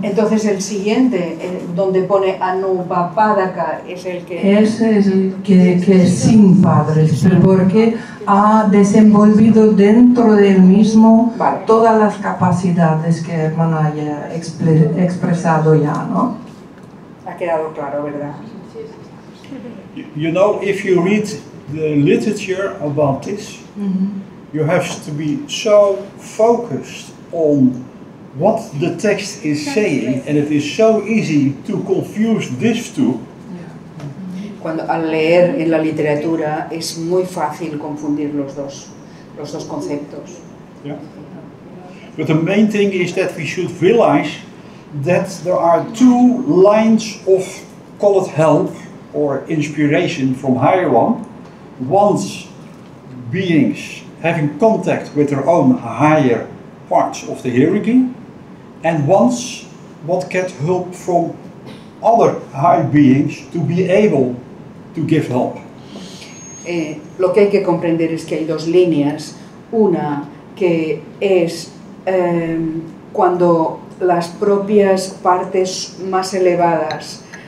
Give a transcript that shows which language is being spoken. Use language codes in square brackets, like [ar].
[es] Entonces el siguiente, donde pone Anupapadaka, es el que... Ese es el que es sin padres, porque ha desenvolvido dentro de él mismo todas las capacidades que Herman haya expresado ya, ¿no? Ha quedado claro, ¿verdad? [en] You know, if you read the literature about this, you have to be so focused on what the text is saying, and it is so easy to confuse these two. [es] Cuando al leer en la literatura es muy fácil confundir los dos conceptos. [en] Yeah. But the main thing is that we should realize that there are two lines of, call it help or inspiration from higher one. One's beings having contact with their own higher parts of the hierarchy, and once what get help from other high beings to be able to give help. [es] Lo que hay que comprender es que hay dos líneas, una que es cuando las propias partes más elevadas